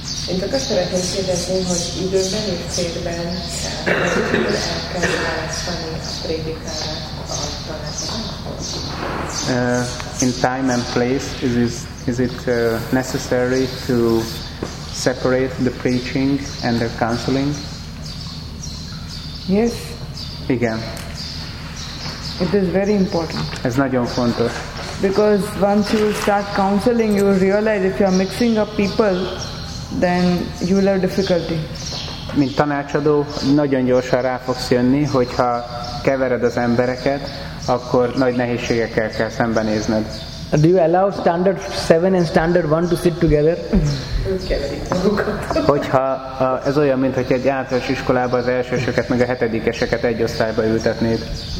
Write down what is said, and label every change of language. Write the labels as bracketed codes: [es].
[hu] Én csak azt szeretném kérdezni, hogy időben és térben el kell választani a prédikálást a tanácsot. [en] In time and place, is it necessary to separate the preaching and the counseling? Yes. [hu] Igen. [en] It is very important. [hu] Ez nagyon fontos. [en] Because once you start counseling, you realize if you are mixing up people, then you will have difficulty. [hu] Mint tanácsadó, nagyon gyorsan rá fogsz jönni, hogyha kevered az embereket, akkor nagy nehézségekkel kell szembenézned. [en] Do you allow standard 7 and standard 1 to sit together? [hu] Hogyha ez olyan, mint hogy egy általános iskolában az elsősöket meg a hetedikeseket egy osztályba ültetnéd.